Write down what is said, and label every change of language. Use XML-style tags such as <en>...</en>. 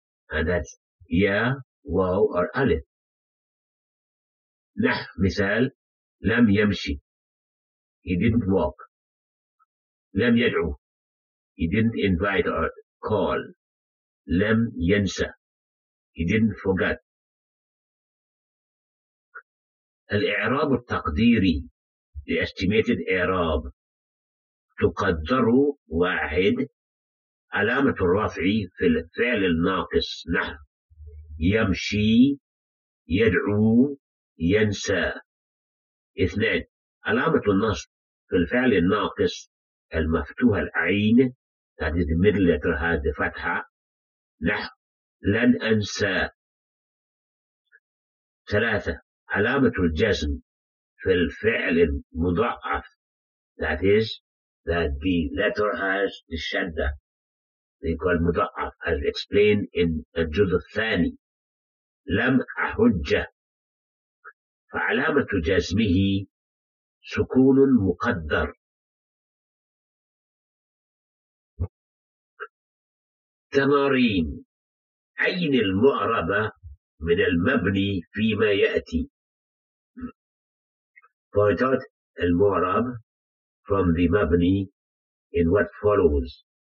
<en>And that's ya, waw, or alif.</en> <ar>نحو مثال لم يمشي.</ar> <en>He didn't walk.</en> <ar>لم يدعو.</ar> <en>He didn't invite or call.</en> <ar>لم ينسى.</ar> <en>He didn't forget.</en> <ar>الإعراب التقديري.</ar> <en>The estimated إعراب.</en> <ar>تقدر واحد علامة الرفع في الفعل الناقص. نحو يمشي، يدعو، ينسى. اثنان علامة النصب في الفعل الناقص المفتوح العين</ar> <en>that is the middle letter has the</en> <ar>فتحة. نحو لن أنسى. ثلاثة علامة الجزم في الفعل المضعف</ar> <en>that is that the letter has the shadda. They call مضعف as explained in</en> <ar>الجزء الثاني. لم أحج. فعلامة جزمه سكون مقدر. تمارين. عين المعربة من المبني فيما يأتي.</ar> <en>Point out المعرب from the مبني in what follows.</en>